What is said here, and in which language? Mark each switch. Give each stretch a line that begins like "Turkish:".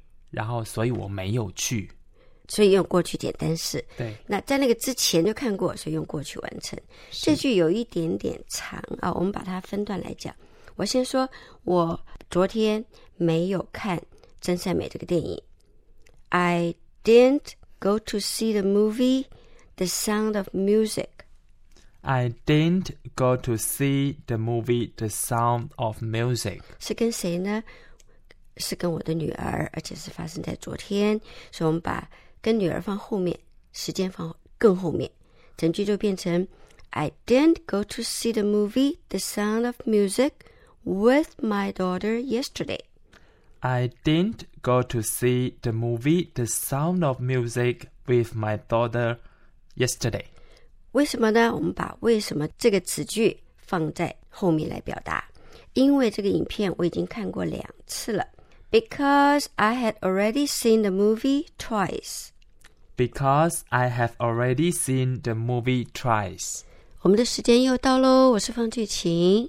Chinese: 然后，所以我没有去。所以用过去简单式。对。那在那个之前就看过，所以用过去完成。这句有一点点长啊，我们把它分段来讲。我先说，我昨天没有看《真善美》这个电影。
English: I didn't go to see the movie The Sound of Music. I didn't go to see the movie The Sound of Music.
Chinese: 是跟谁呢？是跟我的女儿，而且是发生在昨天。所以我们把跟女儿放后面，时间放更后面，整句就变成
English: I didn't go to see the movie The Sound of Music. With my daughter yesterday. I didn't go to see the movie The Sound of Music with my daughter yesterday.
Chinese: 为什么呢？我们把为什么这个词句放在后面来表达。因为这个影片我已经看过两次了。
English: Because I had already seen the movie twice. Because I have already seen the movie twice.
Chinese: 我们的时间又到咯，我是方俊晴。